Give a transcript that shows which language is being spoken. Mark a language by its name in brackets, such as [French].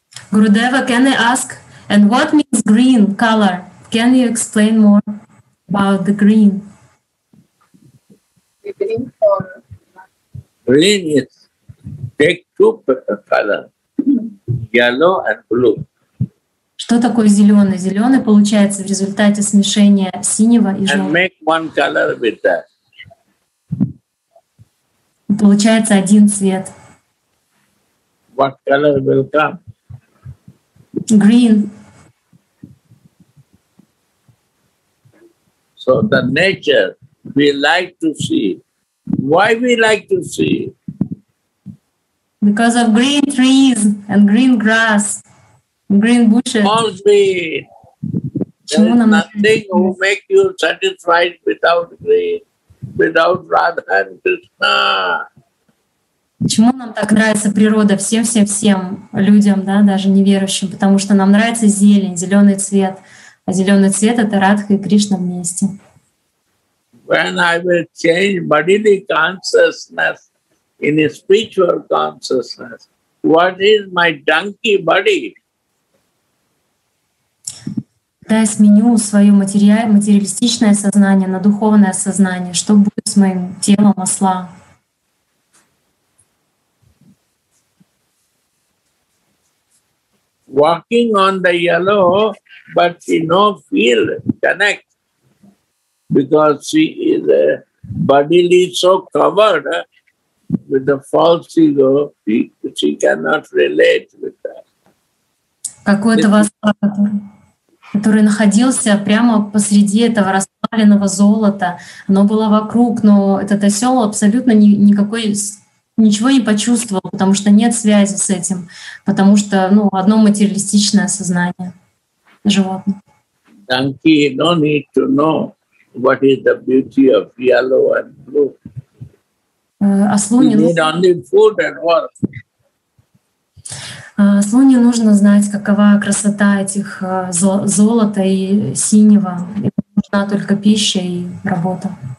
[English] Gurudeva, can I ask, and what means green color? Can you explain more about the green? The green color. Green is, take two colors, yellow and blue. [Russian] Что такое зеленый? Зеленый получается в результате смешения синего и желтого. [English] And make one color with that. [Russian] Получается один цвет. [English] What color will come? Green. So the nature we like to see. Why we like to see? Because of green trees and green grass, green bushes. All green. There is nothing who make you satisfied without green, without Radha and Krishna. [Russian] Почему нам так нравится природа всем-всем-всем людям, да, даже неверующим? Потому что нам нравится зелень, зеленый цвет. А зеленый цвет — это Радха и Кришна вместе. [English] When I will change bodily consciousness in a spiritual consciousness, what is my donkey body? [Russian] Когда я сменю свое материалистичное сознание на духовное сознание, что будет с моим телом осла? [English] Walking on the yellow, but she no feel connect because she is bodily so covered with the false ego, she cannot relate with that. [Russian] Какой-то васла, который находился прямо посреди этого расплавленного золота, оно было вокруг, но этот осёл абсолютно никакой ничего не почувствовал, потому что нет связи с этим, потому что, ну, одно материалистичное сознание животных. [English] Kanki, no need to know what is the beauty of yellow and blue. [Russian] Слу не нужно знать, какова красота этих золота и синего. Им нужна только пища и работа.